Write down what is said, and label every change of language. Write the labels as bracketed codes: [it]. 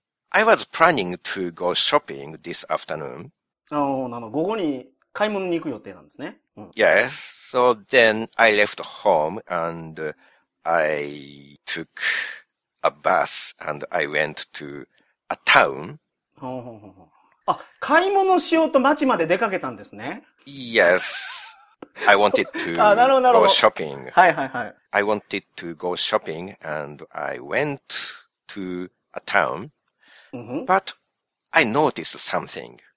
[en] I was planning to go shopping this afternoon. [ja] なの、午後に買い物に行く予定なんですね。 [en] Yes. So then I left home and I took a bus and I went toa town. [ja] ほうほうほう。あ、買い物しようと街まで出かけたんですね。 [en] Yes. I wanted to go shopping. [ja] はいはいはい。 [en] I wanted to go shopping and I went to a town. But I noticed something.